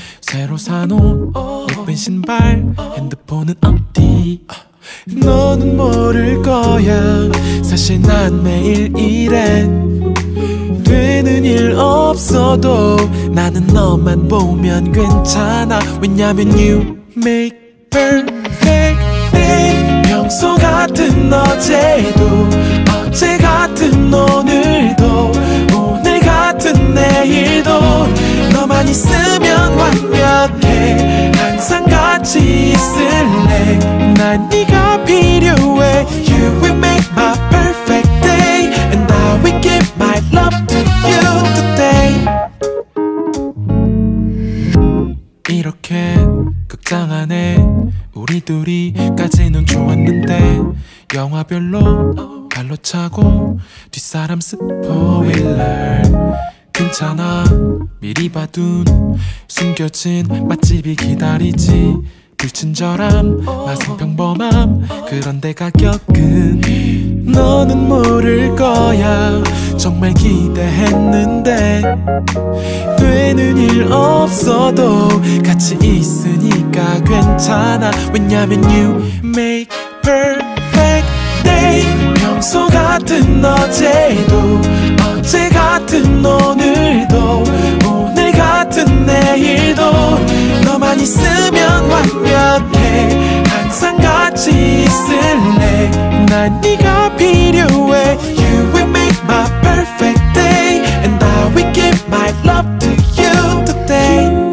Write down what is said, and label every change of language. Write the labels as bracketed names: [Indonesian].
[Korean] 새로 산 옷, 예쁜 신발, 핸드폰은 어디? 너는 모를 거야. 사실 난 매일 이래. 되는 일 없어도 나는 너만 보면 괜찮아. 왜냐면 [English] you make perfect day. [Korean] 평소 같은 어제도 어제 같은 오늘도 오늘 같은 내일도 너만 있으면 완벽해. 항상 같이 있을래. 난 네가 필요해. [English] You will make my perfect day and I will give my love to you today. [Korean] 이렇게 극장 안에 우리 둘이까지는 좋았는데 영화별로 발로 차고 뒷사람 스포일러. 괜찮아 미리 봐둔 숨겨진 맛집이 기다리지. 불친절함 맛은 평범함 그런데 가격은 너는 모를 거야. 정말 기대했는데 되는 일 없어도 같이 있으니까 괜찮아. 왜냐면 [English] you make perfect day. [Korean] 평소 같은 어제도 어제 같은 오늘도 오늘 같은 내일도 너만 있으면 완벽해. 항상 같이 있을래. 난 네가 필요해. [English] You will make my perfect day. And I will give my love to you today.